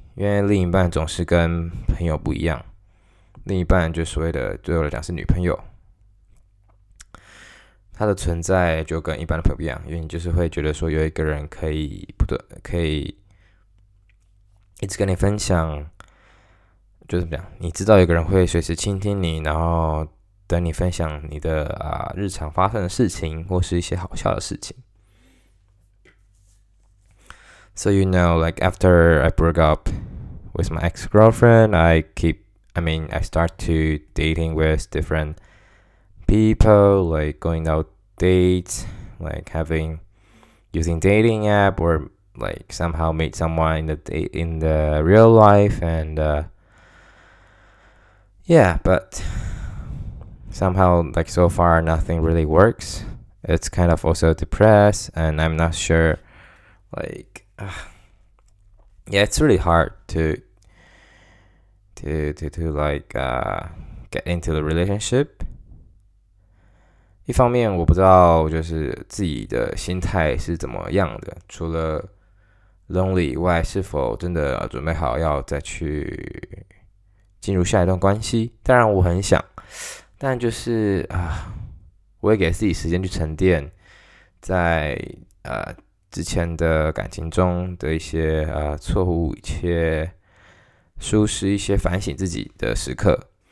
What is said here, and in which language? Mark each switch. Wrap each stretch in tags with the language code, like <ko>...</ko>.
<zh>因为另一半总是跟朋友不一样，另一半就所谓的对我来讲是女朋友，她的存在就跟一般的朋友不一样，因为你就是会觉得说有一个人可以不断可以一直跟你分享，就是怎么讲，你知道有个人会随时倾听你，然后等你分享你的日常发生的事情或是一些好笑的事情。</zh> <en>So you know, like after I broke up with my ex-girlfriend, I start to dating with different people, like going out dates, like using dating app or like somehow meet someone in the real life, and yeah, but somehow like so far nothing really works. It's kind of also depressed, and I'm not sure, like. Yeah, it's really hard to get into the relationship.</en> <zh>一方面我不知道就是自己的心态是怎么样的，除了 lonely 以外，是否真的准备好要再去进入下一段关系？当然我很想，但就是我也给自己时间去沉淀，在之前的感情中的一些错误，一些疏失，一些反省自己的时刻。</zh>